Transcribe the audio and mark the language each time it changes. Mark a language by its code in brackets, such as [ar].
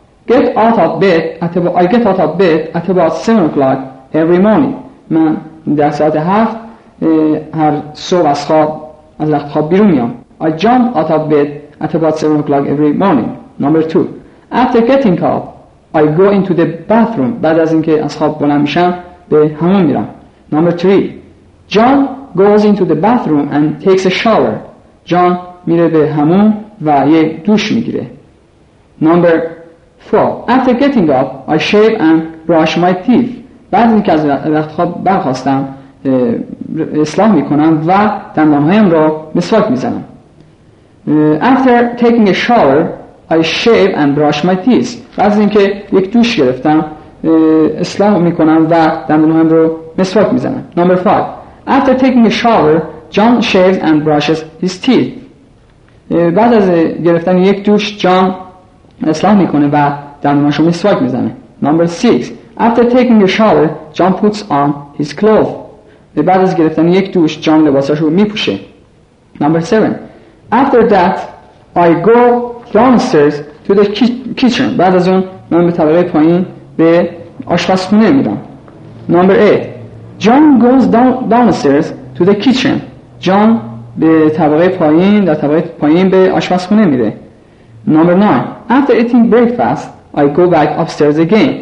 [en] I get out of bed at about 7 o'clock every morning. [fa] من در ساعت 7 هر صبح از خواب از رخت خواب بیرون میام. [en] I jump out of bed at about 7 o'clock every morning. Number 2. After getting up, I go into the bathroom. [fa] بعد از اینکه از خواب بلند میشم به حمام میرم. [en] Number 3. John goes into the bathroom and takes a shower. [fa] John میره به حمام و یه دوش میگیره. [en] Number 4. After getting up, I shave and brush my teeth. [fa] بعد از اینکه از رخت خواب برخواستم اصلاح میکنم و دندانهایم را مسواک میزنم. [en] After taking a shower, I shave and brush my teeth. [fa] بعد از اینکه یک دوش گرفتم اصلاح میکنم و دندانهایم را مسواک میزنم. [en] Number 5. After taking a shower, John shaves and brushes his teeth. [fa] بعد از گرفتن یک دوش جان اصلاح میکنه و دندوناش رو مسواک میزنه. [en] Number 6. After taking a shower, John puts on his clothes. [fa] بعد از گرفتن یک دوش جان لباساشو میپوشه. [en] Number 7. After that, I go downstairs to the kitchen. [fa] بعد از اون من به طبقه پایین به آشپزخونه میرم. [en] Number 8. John goes downstairs to the kitchen. [fa] John به طبقه پایین، در طبقه پایین به آشپزخونه میره. [en] Number 9. After eating breakfast, I go back upstairs again.